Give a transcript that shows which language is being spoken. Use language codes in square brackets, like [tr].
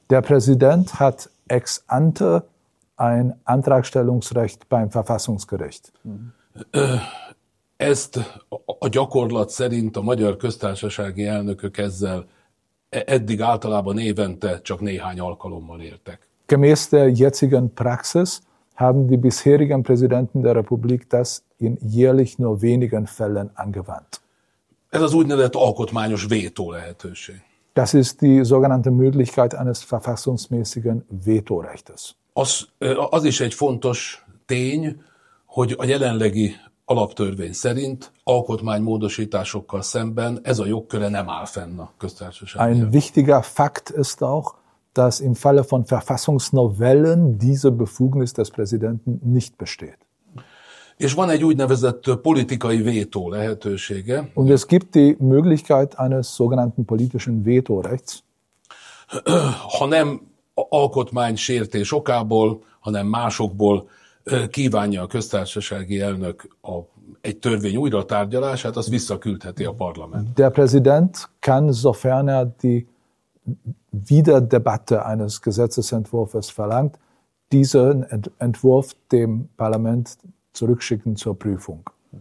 [de] Der Präsident hat ex ante ein Antragstellungsrecht beim Verfassungsgericht. [hu] Ezt a gyakorlat szerint a magyar köztársasági elnökök ezzel eddig általában évente csak néhány alkalommal éltek. [de] Gemäß der jetzigen Praxis haben die bisherigen Präsidenten der Republik das in jährlich nur wenigen Fällen angewandt. [hu] Ez az úgynevezett alkotmányos vétó lehetőség. [de] Das ist die sogenannte Möglichkeit eines verfassungsmäßigen Vetorechtes. [hu] Az is egy fontos tény, hogy a jelenlegi alaptörvény szerint alkotmánymódosításokkal szemben ez a jogköre nem áll fenn a köztársaság. [de] Ein wichtiger Fakt ist auch, dass im Falle von Verfassungsnovellen diese Befugnis des Präsidenten nicht besteht. [hu] És van egy úgynevezett politikai vétó lehetősége. [de] Und es gibt die Möglichkeit eines sogenannten politischen Vetorechts. [hu] Ha nem alkotmánysértés okából, hanem másokból kívánja a köztársasági elnök egy törvény újra tárgyalását, az visszaküldheti a parlament. [de] Der Präsident kann, sofern er die Wiederdebatte eines Gesetzesentwurfs verlangt, diesen Entwurf dem Parlament zurückschicken zur Prüfung.